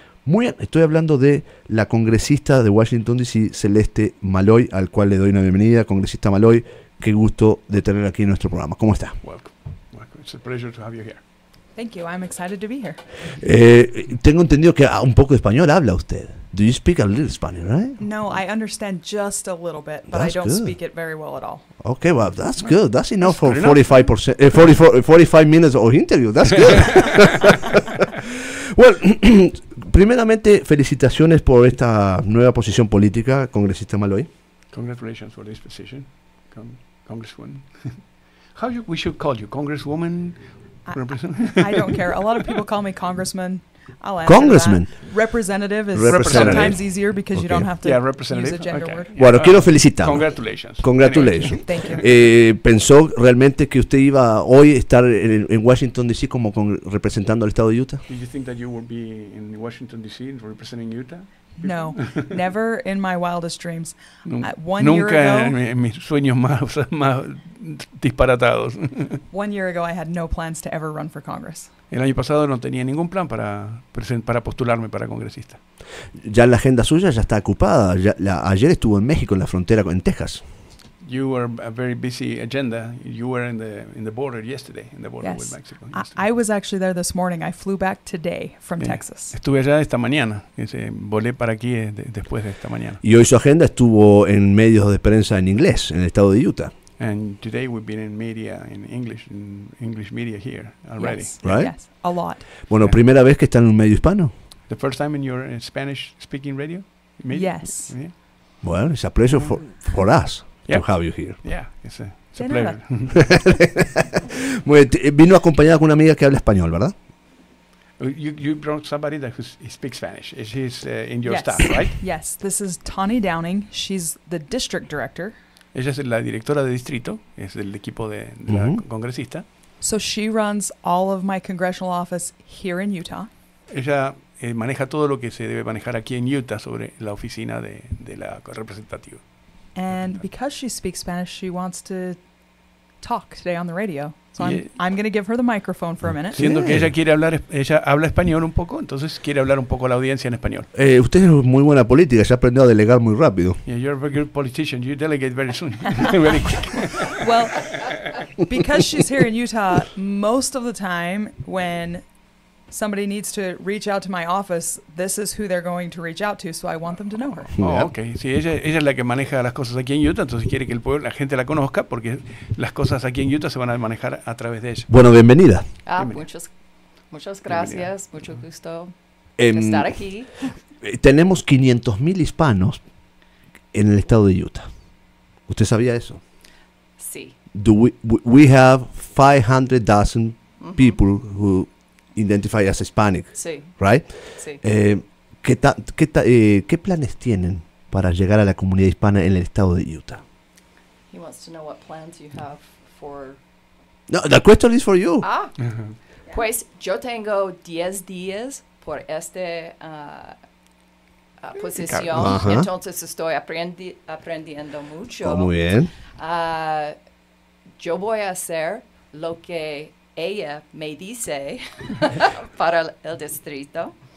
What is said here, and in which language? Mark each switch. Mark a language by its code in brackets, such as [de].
[es] Muy bien, estoy hablando de la congresista de Washington, D.C., Celeste Maloy, al cual le doy una bienvenida. Congresista Maloy, qué gusto de tener aquí en nuestro programa. ¿Cómo está? [en] Welcome. It's a pleasure to have you here. Thank you. I'm excited to be here. [es] Tengo entendido que un poco de español habla usted. [en] Do you speak a little Spanish, right? No, I understand just a little bit, but that's I don't good. Speak it very well at all. Okay, well, that's good. That's enough that's for 45%, 45 minutes of interview. That's good. [es] Well, primeramente, felicitaciones por esta nueva posición política, Congresista Maloy. [en] Congratulations for this position, Congresswoman. How you, we should call you, Congresswoman? I don't care. A lot of people call me Congressman. Congressman. Representative is representative. Sometimes easier because okay. You don't have to yeah, representative. Use a gender okay. word. [es] Bueno, quiero felicitar. [en] Congratulations. Anyway. Thank you. [es] ¿Pensó realmente que usted iba hoy a estar en Washington, D.C. como representando al estado de Utah? [en] Did you think that you would be in Washington, D.C. representing Utah? No, never in my wildest dreams. [es] Nunca en mis sueños más disparatados. [en] 1 year ago, I had no plans to ever run for Congress. [es] El año pasado no tenía ningún plan para postularme para congresista. Ya la agenda suya ya está ocupada. Ayer estuvo en México, en la frontera, en Texas. [en] You were a very busy agenda. You were in the border yesterday, in the border yes. with Mexico. I was actually there this morning. I flew back today from yeah. Texas. [es] Estuve allá esta mañana. Volé para aquí después de esta mañana. Y hoy su agenda estuvo en medios de prensa en inglés, en el estado de Utah. [en] And today we've been in English media here already. Yes. Right? Yes, a lot. [es] Bueno, yeah. Primera vez que está en un medio hispano. [en] The first time in your Spanish-speaking radio? Yes. Yeah. Well, it's a pleasure for us. to have you here. Yeah, it's a pleasure. [es] Vino acompañada con una amiga que habla español, ¿verdad? [en] You brought somebody that speaks Spanish. She's in your staff, right? Yes, this is Tawny Downing. She's the district director. [es] Ella es la directora de distrito, es del equipo de mm-hmm. la congresista. [en] So she runs all of my congressional office here in Utah. [es] Ella maneja todo lo que se debe manejar aquí en Utah sobre la oficina de la representativa. [en] And because she speaks Spanish, she wants to talk today on the radio. So I'm going to give her the microphone for a minute. [es] Siendo que ella quiere hablar, ella habla español un poco, entonces quiere hablar un poco a la audiencia en español. Usted es muy buena política, ya aprendió a delegar muy rápido. [en] Yeah, you're a very good politician. You delegate very soon. Very quick. Well, because she's here in Utah, most of the time when somebody needs to reach out to my office, this is who they're going to reach out to, so I want them to know her. Oh, okay. [es] Sí, ella es la que maneja las cosas aquí en Utah, entonces quiere que el pueblo, la gente la conozca, porque las cosas aquí en Utah se van a manejar a través de ella. Bueno, bienvenida. Muchas gracias, bienvenida. Mucho gusto estar aquí. Tenemos 500,000 hispanos en el estado de Utah. ¿Usted sabía eso? Sí. [en] We have 500,000 mm-hmm. people who identify as Hispanic, [es] sí. [en] right? [es] Sí. ¿Qué planes tienen para llegar a la comunidad hispana en el estado de Utah? [en] He wants to know what plans you have for... No, the question is for you. Ah, mm-hmm. yeah. [es] Pues yo tengo 10 días por esta posición, uh-huh. entonces estoy aprendiendo mucho. Oh, muy bien. Yo voy a hacer lo que ella me dice para el distrito.